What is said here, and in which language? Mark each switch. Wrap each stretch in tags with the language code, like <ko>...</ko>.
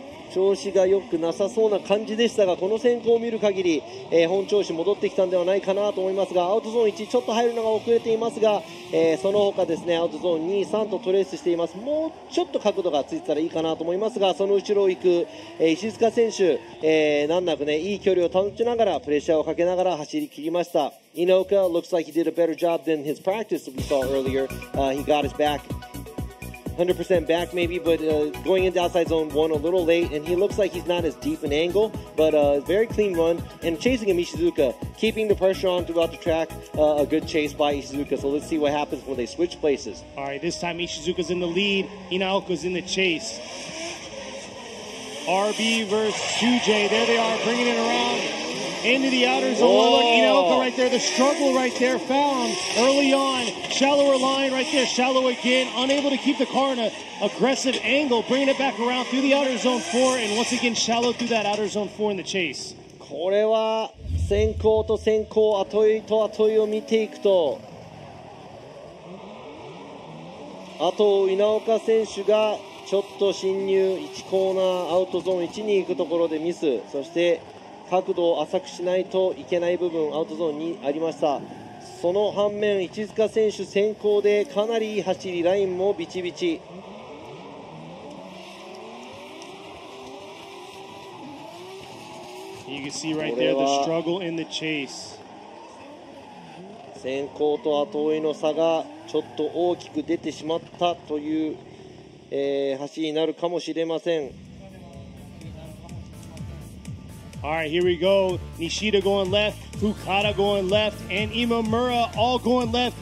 <ja>調子が良くなさそうな感じでしたが、この先行を見る限り、本調子戻ってきたのではないかなと思いますが、アウトゾーン1ちょっと入るのが遅れていますが、その他ですね、アウトゾーン2、3とトレースしています。もうちょっと角度がついてたらいいかなと思いますが、その後ろを行く、石塚選手、難なくね、いい距離を保ちながらプレッシャーをかけながら走り切りました。</ja> <en>Inoka looks like he did a better job than his practice we saw earlier. He got his back 100% back maybe, but going into outside zone one a little late, and he looks like he's not as deep an angle, but a very clean run, and chasing him, Ishizuka, keeping the pressure on throughout the track, a good chase by Ishizuka, so let's see what happens when they switch places. All right, this time Ishizuka's in the lead, Inaoka's in the chase. RB versus 2J, there they are, bringing it around. Into the outer zone, Inaoka right there, the struggle right there, found early on, shallower line right there, shallow again, unable to keep the car in an aggressive angle, bringing it back around through the outer zone 4, and once again shallow through that outer zone 4 in the chase.</en> <ja>これは先行と先行、後追いと後追いを見ていくと、あと稲岡選手がちょっと進入、1コーナーアウトゾーン1に行くところでミス、そして角度を浅くしないといけない部分、アウトゾーンにありました。その反面、市塚選手先行でかなりいい走り、ラインもビチビチ。</ja> <en>You can see right there the struggle in the chase.</en> <ja>先行と後追いの差がちょっと大きく出てしまったという、走りになるかもしれません。</ja> <en>Alright, here we go. Nishida going left, Fukada going left, and Imamura all going left.</en>